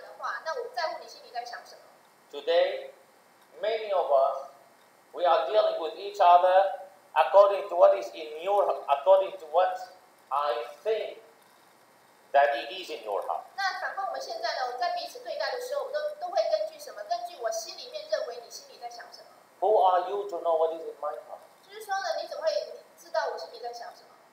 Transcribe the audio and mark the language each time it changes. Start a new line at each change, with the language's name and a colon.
Chinese: 那先知穆罕默德说呢，我们看到你的是你的行为，我看到你有上战场来杀人的话，那我在乎你心里在想什么。
English: Today, many of us, we are dealing with each other according to what is in your heart, according to what I think that it is in your heart.
Chinese: 那反观我们现在呢，我们在彼此对待的时候，我们都会根据什么？根据我心里面认为你心里在想什么。
English: Who are you to know what is in my heart?
Chinese: 就是说呢，你怎么会知道我心里在想什么？